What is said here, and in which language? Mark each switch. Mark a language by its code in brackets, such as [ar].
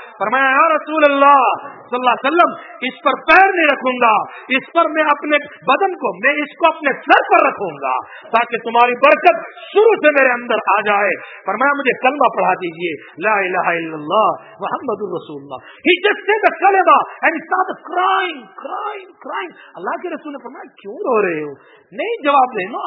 [ur] فرمایا یا رسول اللہ صلی اللہ علیہ وسلم, اس پر پیر نہیں رکھوں گا, اس پر میں اپنے بدن کو, میں اس کو اپنے سر پر رکھوں گا تاکہ تمہاری برکت شروع سے میرے اندر آ جائے. فرمایا مجھے کلمہ پڑھا دیجئے, لا الہ الا اللہ محمد رسول اللہ. [en] He just said the kalima and started crying. [ur] اللہ کے رسول نے فرمایا کیوں رو رہے ہو؟ نہیں جواب دے.